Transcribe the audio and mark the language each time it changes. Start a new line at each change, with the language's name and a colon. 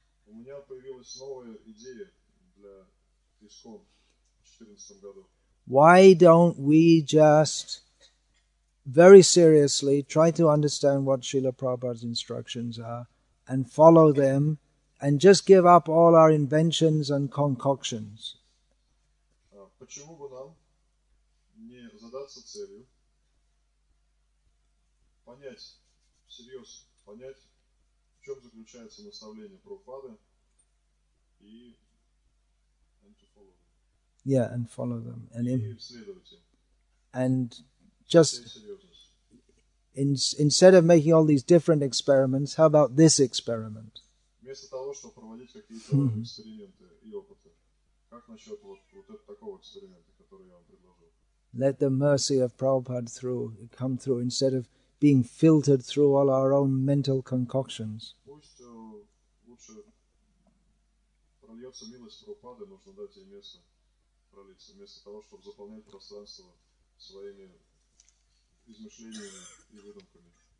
Russian: У меня появилась новая идея для ISKCON в 14 году.
English: Why don't we just very seriously try to understand what Srila Prabhupada's instructions are and follow them and just give up all our inventions and concoctions?
Russian: Почему бы нам не задаться целью понять, всерьез понять, в чем заключается наставление Прабхупады, и
English: and to follow them. Yeah, and follow them. And
Russian: и следовать им.
English: And just instead of making all these different experiments, how about this experiment?
Russian: Вместо того, чтобы проводить какие-то эксперименты и опыты, как насчет вот этого такого эксперимента, который я вам предложил?
English: Let the mercy of Prabhupada through come through instead of being filtered through all our own mental concoctions.
Russian: Пусть лучше прольется милость Прабхупады, нужно дать ей место пролиться, вместо того, чтобы заполнять пространство своими измышлениями и выдумками.